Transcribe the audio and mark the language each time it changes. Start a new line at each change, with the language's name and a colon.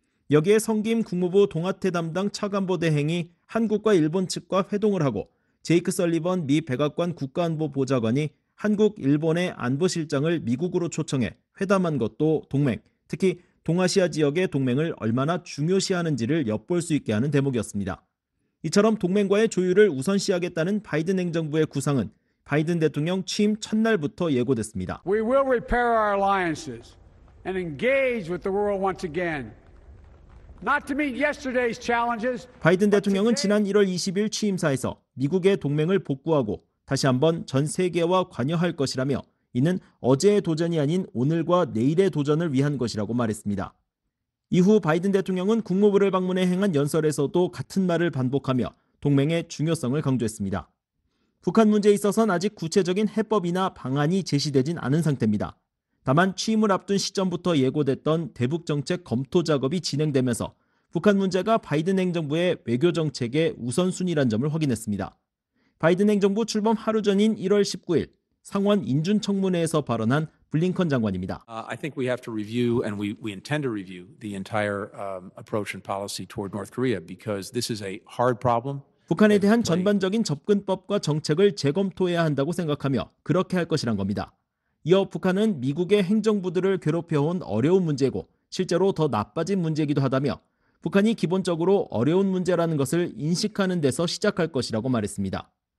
Korean: 여기에 성김 국무부 동아태 담당 차관보 대행이 한국과 일본 측과 회동을 하고 제이크 설리번 미 백악관 국가안보보좌관이 한국, 일본의 안보실장을 미국으로 초청해 회담한 것도 동맹, 특히 동아시아 지역의 동맹을 얼마나 중요시하는지를 엿볼 수 있게 하는 대목이었습니다. 이처럼 동맹과의 조율을 우선시하겠다는 바이든 행정부의 구상은 바이든 대통령 취임 첫날부터 예고됐습니다.
English: We will repair our alliances and engage with the world once again. Not to meet yesterday's challenges.
Korean: 바이든 대통령은 지난 1월 20일 취임사에서 미국의 동맹을 복구하고 다시 한번 전 세계와 관여할 것이라며 이는 어제의 도전이 아닌 오늘과 내일의 도전을 위한 것이라고 말했습니다. 이후 바이든 대통령은 국무부를 방문해 행한 연설에서도 같은 말을 반복하며 동맹의 중요성을 강조했습니다. 북한 문제에 있어서는 아직 구체적인 해법이나 방안이 제시되진 않은 상태입니다. 다만 취임을 앞둔 시점부터 예고됐던 대북정책 검토 작업이 진행되면서 북한 문제가 바이든 행정부의 외교정책의 우선순위란 점을 확인했습니다. 바이든 행정부 출범 하루 전인 1월 19일 상원 인준청문회에서 발언한 블링컨 장관입니다.
English: I think we have to review and we intend to review the entire approach and policy toward North Korea because this is a hard problem.
Korean: 북한에 대한 전반적인 접근법과 정책을 재검토해야 한다고 생각하며 그렇게 할 것이란 겁니다. 이어 북한은 미국의 행정부들을 괴롭혀온 어려운 문제고 실제로 더 나빠진 문제이기도 하다며 북한이 기본적으로 어려운 문제라는 것을 인식하는 데서 시작할 것이라고 말했습니다.